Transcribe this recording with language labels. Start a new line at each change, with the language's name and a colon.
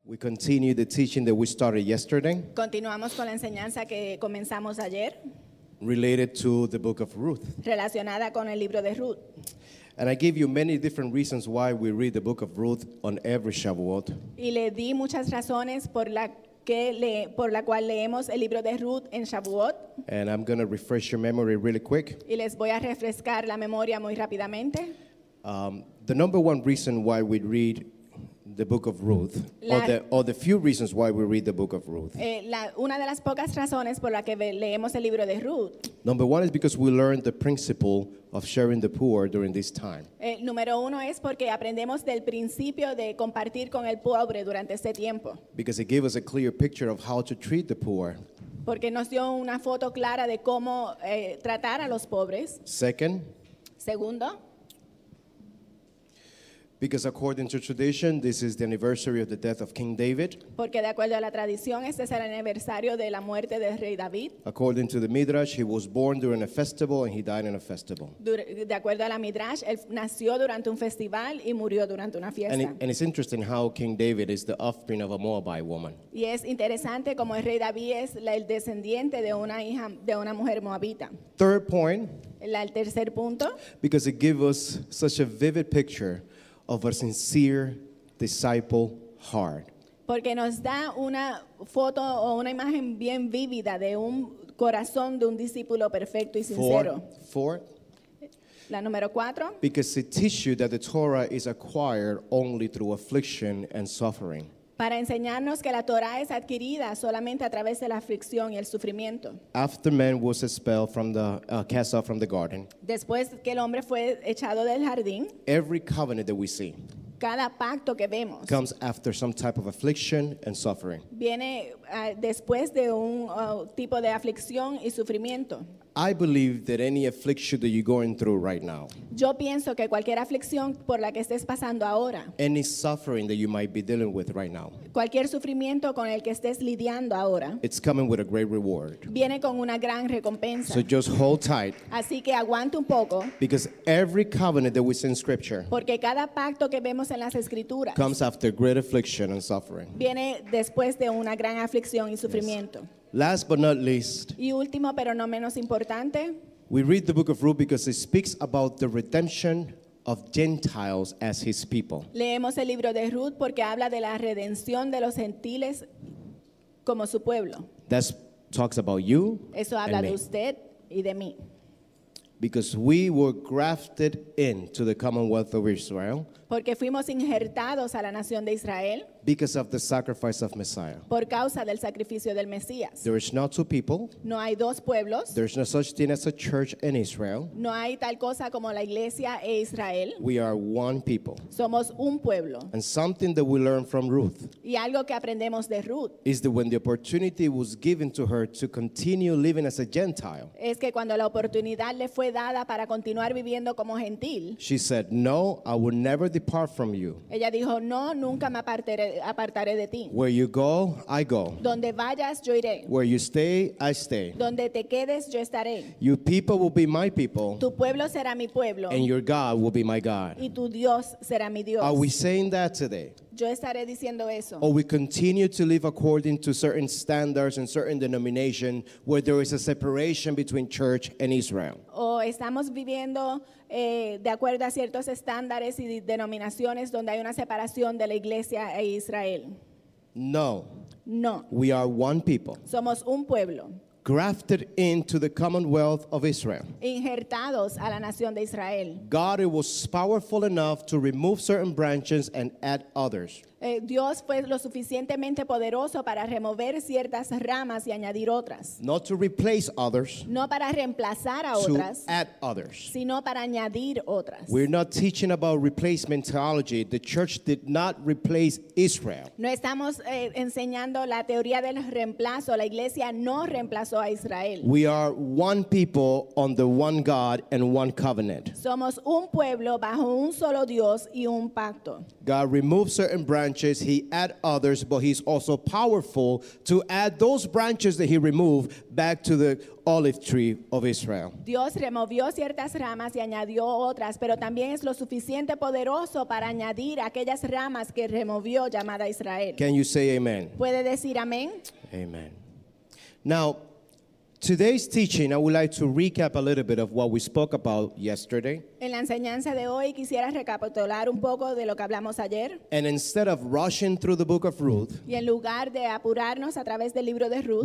English: We continue the teaching that we started yesterday.
Spanish: Continuamos con la enseñanza que comenzamos ayer.
English: Related to the book of Ruth.
Spanish: Relacionada con el libro de Ruth.
English: And I gave you many different reasons why we read the book of Ruth on every Shavuot.
Spanish: Y le di muchas razones por la cual leemos el libro de Ruth en Shavuot.
English: And I'm going to refresh your memory really quick.
Spanish: Y les voy a refrescar la memoria muy rápidamente.
English: The number one reason why we read the book of Ruth, or the few reasons why we read the book of Ruth.
Spanish: Una de las pocas razones por la que leemos el libro de Ruth.
English: Number one is because we learned the principle of sharing the poor during this time.
Spanish: Número uno es porque aprendemos del principio de compartir con el pobre durante este tiempo.
English: Because it gave us a clear picture of how to treat the poor.
Spanish: Porque nos dio una foto clara de cómo tratar a los pobres.
English: Second.
Spanish: Segundo.
English: Because according to tradition, this is the anniversary of the death of King David.
Spanish: Porque de acuerdo a la tradición, este es el aniversario de la muerte del rey David.
English: According to the Midrash, he was born during a festival and he died in a festival.
Spanish: De acuerdo a la Midrash, él nació durante un festival y murió durante una fiesta.
English: And it's interesting how King David is the offspring of a Moabite woman.
Spanish: Y es interesante como el rey David es el descendiente de una hija de una mujer moabita.
English: Third point.
Spanish: El tercer punto.
English: Because it gives us such a vivid picture of a sincere disciple heart.
Spanish: Porque nos da una foto o una imagen bien vívida de un corazón de un discípulo perfecto y sincero.
English: Four.
Spanish: La número cuatro.
English: Because it teaches you that the Torah is acquired only through affliction and suffering.
Spanish: Para enseñarnos que la Torah es adquirida solamente a través de la aflicción y el sufrimiento.
English: After man was expelled from the cast out from the garden.
Spanish: Después que el hombre fue echado del jardín.
English: Every covenant that we see.
Spanish: Cada pacto que vemos.
English: Comes after some type of affliction and suffering.
Spanish: Viene después de un tipo de aflicción y sufrimiento.
English: I believe that any affliction that you're going through right now.
Spanish: Yo pienso que cualquier aflicción por la que estés pasando ahora.
English: Any suffering that you might be dealing with right now.
Spanish: Cualquier sufrimiento con el que estés lidiando ahora.
English: It's coming with a great reward.
Spanish: Viene con una gran recompensa.
English: So just hold tight.
Spanish: Así que aguanta un poco.
English: Because every covenant that we see in Scripture.
Spanish: Porque cada pacto que vemos en las Escrituras.
English: Comes after great affliction and suffering.
Spanish: Viene después de una gran aflicción y sufrimiento.
English: Yes. Last but not least,
Spanish: y último, pero no menos importante,
English: we read the book of Ruth because it speaks about the redemption of Gentiles as his people.
Spanish: Leemos el libro de Ruth porque habla de la redención de los gentiles como su pueblo.
English: That talks about you.
Spanish: Eso habla de usted y de mí.
English: Because we were grafted into the commonwealth of Israel.
Spanish: Porque fuimos injertados a la nación de Israel.
English: Because of the sacrifice of Messiah.
Spanish: Por causa del sacrificio del Mesías.
English: There is no two people.
Spanish: No hay dos pueblos.
English: There is no such thing as a church in Israel.
Spanish: No hay tal cosa como la iglesia e Israel.
English: We are one people.
Spanish: Somos un pueblo.
English: And something that we learn from Ruth.
Spanish: Y algo que aprendemos de Ruth.
English: Is that when the opportunity was given to her to continue living as a Gentile.
Spanish: Es que cuando la oportunidad le fue dada para continuar viviendo como gentil.
English: She said, "No, I will never depart from you."
Spanish: Ella dijo, "No, nunca me apartaré." Apartaré de ti.
English: Where you go, I go.
Spanish: Donde vayas, yo iré.
English: Where you stay, I stay.
Spanish: Donde te quedes, yo estaré.
English: Your people will be my people.
Spanish: Tu pueblo será mi pueblo.
English: And your God will be my God.
Spanish: Y tu Dios será mi Dios.
English: Are we saying that today?
Spanish: Yo estaré diciendo eso.
English: Or we continue to live according to certain standards and certain denominations where there is a separation between church and Israel.
Spanish: O estamos viviendo de acuerdo a ciertos estándares y denominaciones donde hay una separación de la iglesia e Israel.
English: No.
Spanish: No.
English: We are one people.
Spanish: Somos un pueblo.
English: Grafted into the commonwealth of Israel.
Spanish: Injertados a la nación de Israel.
English: God it was powerful enough to remove certain branches and add others.
Spanish: Dios fue lo suficientemente poderoso para remover ciertas ramas y añadir otras.
English: Not to replace others.
Spanish: No para reemplazar a
English: to
Spanish: otras.
English: To add others.
Spanish: Sino para añadir otras.
English: We're not teaching about replacement theology. The church did not replace Israel.
Spanish: No estamos enseñando la teoría del reemplazo. La iglesia no reemplazó hizo a Israel.
English: We are one people under one God and one covenant.
Spanish: Somos un pueblo bajo un solo Dios y un pacto.
English: God removes certain branches, he adds others, but he's also powerful to add those branches that he removed back to the olive tree of Israel.
Spanish: Dios removió ciertas ramas y añadió otras, pero también es lo suficiente poderoso para añadir aquellas ramas que removió llamada Israel.
English: Can you say amen?
Spanish: ¿Puede decir amén?
English: Amen. Now, today's teaching, I would like to recap a little bit of what we spoke about yesterday.
Spanish: En la enseñanza de hoy, quisiera recapitular un poco de lo que hablamos ayer.
English: And instead of rushing through the book of Ruth,
Spanish: y en lugar de apurarnos a través del libro de Ruth,